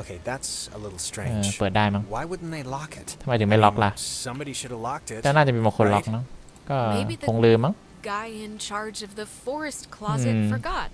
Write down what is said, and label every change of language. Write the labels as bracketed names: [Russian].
[English] Okay, that's a little strange. [Thai] เปิดได้มั้ง [English] Why wouldn't they lock it? [Thai] ทำไมถึงไม่ล็อกล่ะ [English] Somebody should have locked it. [Thai] น่าจะมีบางคนล็อกนะก็คงลืมมั้ง [English] Guy in charge of the forest closet forgot.